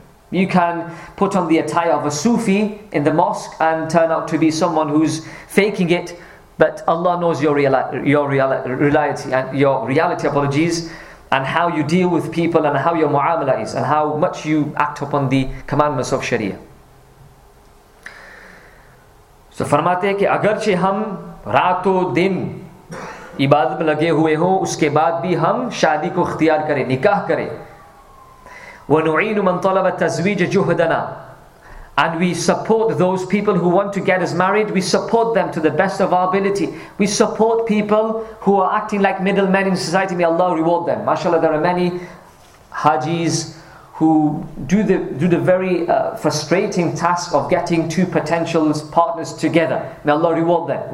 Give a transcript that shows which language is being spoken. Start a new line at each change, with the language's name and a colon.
English: You can put on the attire of a Sufi in the mosque and turn out to be someone who's faking it, but Allah knows your reality, and how you deal with people and how your muamala is and how much you act upon the commandments of sharia.
Urdu: تو فرماتے ہیں کہ اگرچہ ہم رات و دن عبادت میں لگے ہوئے ہوں, اس کے بعد بھی ہم شادی کو اختیار کریں, نکاح کریں.
Arabic: وَنُعِينُ مَن طَلَبَ تَزْوِيجَ جُهْدَنَا.
English: And we support those people who want to get us married, we support them to the best of our ability. We support people who are acting like middlemen in society, may Allah reward them. MashaAllah, there are many hajis who do the very frustrating task of getting two potential partners together. May Allah reward them.